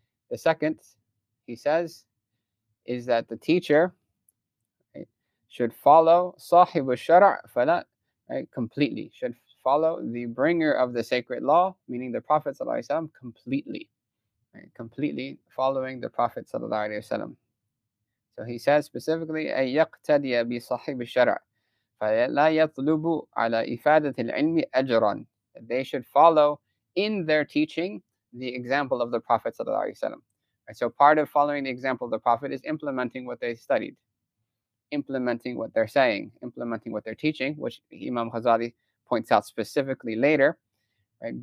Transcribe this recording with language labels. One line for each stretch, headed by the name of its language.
English: The second, he says, is that the teacher, right, should follow
Arabic: صاحب الشرع فلا,
English: right, completely, should follow the bringer of the sacred law, meaning the Prophet sallallahu alaihi wasallam, completely. Right, completely following the Prophet sallallahu alaihi wasallam.
Arabic: So he says specifically, أيقتدي بصاحب الشرع فلا يطلب على إفادة العلم أجرا.
English: They should follow in their teaching the example of the Prophet sallallahu alaihi wasallam. So part of following the example of the Prophet is implementing what they studied, implementing what they're saying, implementing what they're teaching, which Imam Ghazali points out specifically later. Right?